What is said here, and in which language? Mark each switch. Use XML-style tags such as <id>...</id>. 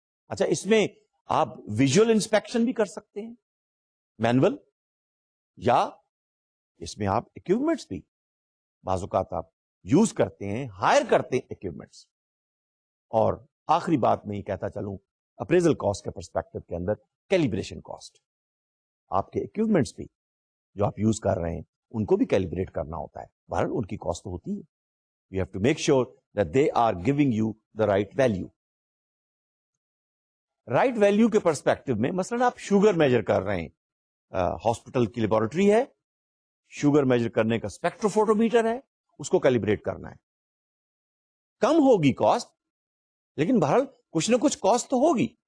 <ur>اچھا اس میں آپ ویژول انسپیکشن بھی کر سکتے ہیں مینول, یا اس میں آپ اکوپمنٹس بھی بعض اوقات آپ یوز کرتے ہیں, ہائر کرتے ہیں اکوپمنٹس. اور آخری بات میں یہ کہتا چلوں, اپریزل کاسٹ کے پرسپیکٹو کے اندر کیلیبریشن کاسٹ, آپ کے اکوپمنٹس بھی جو آپ یوز کر رہے ہیں ان کو بھی کیلیبریٹ کرنا ہوتا ہے. بہرحال ان کی کاسٹ تو ہوتی ہے.</ur> <en>You have to make sure that they are giving you the right value.</en> <ur>Right value کے پرسپیکٹو میں مثلا آپ شوگر میجر کر رہے ہیں, ہاسپٹل کی لیبورٹری ہے, شوگر میجر کرنے کا اسپیکٹرو فوٹو میٹر ہے, اس کو کیلیبریٹ کرنا ہے. کم ہوگی کاسٹ لیکن بہرحال کچھ نہ کچھ کاسٹ تو ہوگی.</ur>